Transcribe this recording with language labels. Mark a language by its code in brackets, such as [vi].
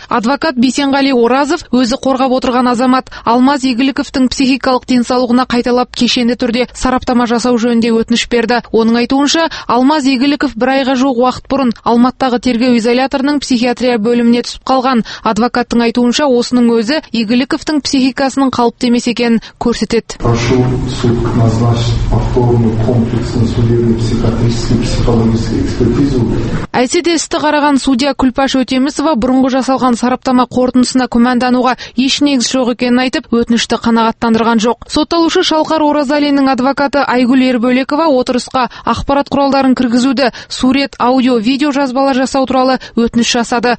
[kk] Адвокат Бисенғали Оразов өзі қорғап отырған азамат Алмас Игіліковтың психикалық денсаулығына қайталап кешенді түрде сараптама жасау жөнінде өтініш берді. Оның айтуынша, Алмаз Егіліков бір айға жоқ уақыт бұрын Алматыдағы тергеу изоляторының психиатрия бөліміне түсіп қалған. Адвокаттың айтуынша, осының өзі Егіліковтың психикасының қалыпты емес екенін көрсетеді. [ru] Прошу суд назначить повторную комплексную судебную психиатрическую психологическую экспертизу. [kk] Әйтсе де істі қараған судья Күлпаш Өтемісова бұрынғы жасалған сараптама қорытындысына күмәндануға еш негіз жоқ екенін айтып, өтінішті қанағаттандырған жоқ. Сотталушы Шалқар Оразалиннің адвокаты Айгүл Ербөлекова отырысқа ақпарат құралдарын кіргізуді, сурет, аудио, видео жазбалар жасау туралы өтініш жасады.